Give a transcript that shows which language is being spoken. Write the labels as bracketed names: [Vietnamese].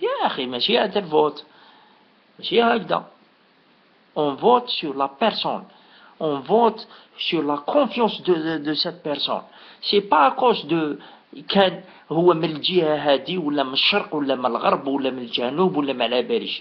[Arabic] يا اخي ماشي هذا الفوت، ماشي هكذا. [French] On vote sur la personne. On vote sur la confiance de cette personne. C'est pas à cause de [Arabic] كان هو من الجهة هذه ولا من الشرق ولا من الغرب ولا من الجنوب ولا من على باليش.